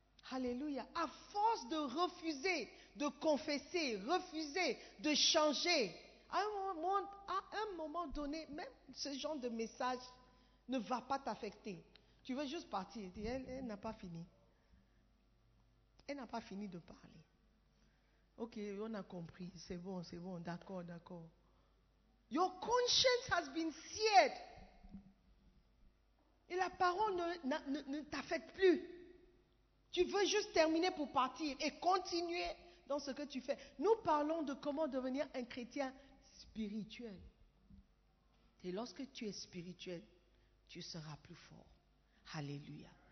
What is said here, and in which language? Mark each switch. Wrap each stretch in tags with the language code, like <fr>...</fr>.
<fr>Alléluia. À force de refuser, de confesser, refuser, de changer, à un moment donné, même ce genre de message ne va pas t'affecter. Tu veux juste partir. Elle n'a pas fini. Elle n'a pas fini de parler. OK, on a compris. C'est bon. D'accord.</fr> <en>Your conscience has been seared.</en> <fr>Et la parole ne t'affecte plus. Tu veux juste terminer pour partir et continuer dans ce que tu fais. Nous parlons de comment devenir un chrétien spirituel. Et lorsque tu es spirituel, tu seras plus fort. Alléluia.</fr>